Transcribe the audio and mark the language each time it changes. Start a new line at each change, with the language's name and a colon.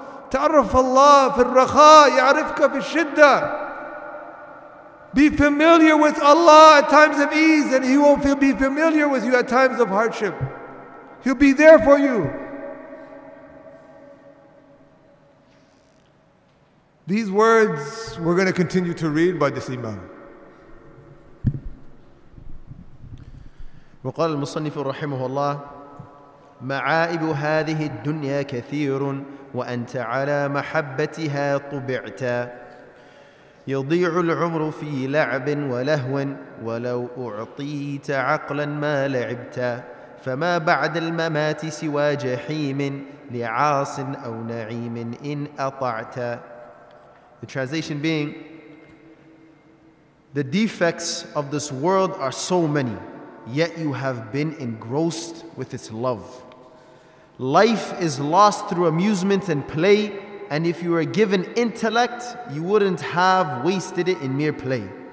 Arabic: تعرف الله في الرخاء يعرفك في الشدة.
English: Be familiar with Allah at times of ease, and He will be familiar with you at times of hardship. He'll be there for you. These words we're going to continue to read by this imam.
Arabic: وقال المصنف رحمه الله معائب هذه الدنيا كثير وأنت على محبتها طبعت يضيع العمر في لعب ولهو ولو أعطيت عقلا ما لعبت فما بعد الممات سوى جحيم لعاص أو نعيم إن أطعت.
English: The translation being, the defects of this world are so many, yet you have been engrossed with its love. Life is lost through amusement and play, and if you were given intellect, you wouldn't have wasted it in mere play.